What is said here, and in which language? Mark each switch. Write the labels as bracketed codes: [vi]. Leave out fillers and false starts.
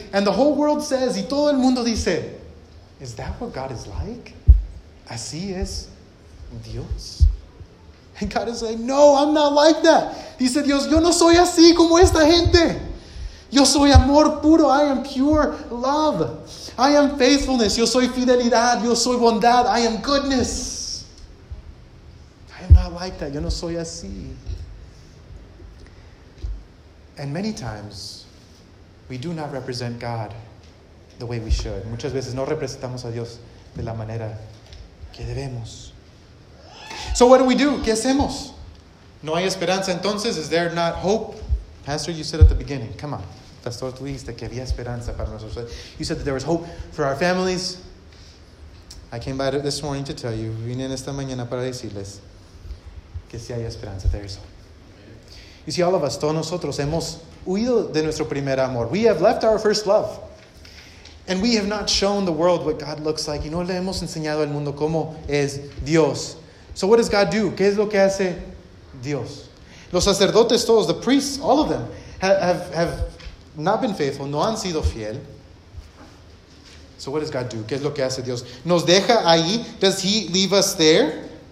[en] And the whole world says, y todo el mundo dice, is that what God is like? [es] ¿Así es Dios? [en] And God is like, no, I'm not like that. [es] Dice Dios, yo no soy así como esta gente. Yo soy amor puro. [en] I am pure love. I am faithfulness. [es] Yo soy fidelidad. Yo soy bondad. [en] I am goodness. I am not like that. [es] Yo no soy así. [en] And many times, we do not represent God the way we should. [es] Muchas veces no representamos a Dios de la manera que debemos. [en] So what do we do? [es] ¿Qué hacemos? ¿No hay esperanza entonces? [en] Is there not hope? Pastor, you said at the beginning. Come on. [es] Pastor, tú dijiste que había esperanza para nosotros. [en] You said that there was hope for our families. I came by this morning to tell you. [es] Vine en esta mañana para decirles que sí hay esperanza. [en] There is hope. You see, all of us, [es] todos nosotros, hemos huido de nuestro primer amor. [en] We have left our first love. And we have not shown the world what God looks like. [es] Y no le hemos enseñado al mundo cómo es Dios. [en] So what does God do? [es] ¿Qué es lo que hace Dios? Los sacerdotes todos, [en] the priests, all of them, have not been faithful, [es] no han sido fiel. [en] So what does God do? [es] ¿Qué es lo que hace Dios? ¿Nos deja ahí? [en] Does he leave us there?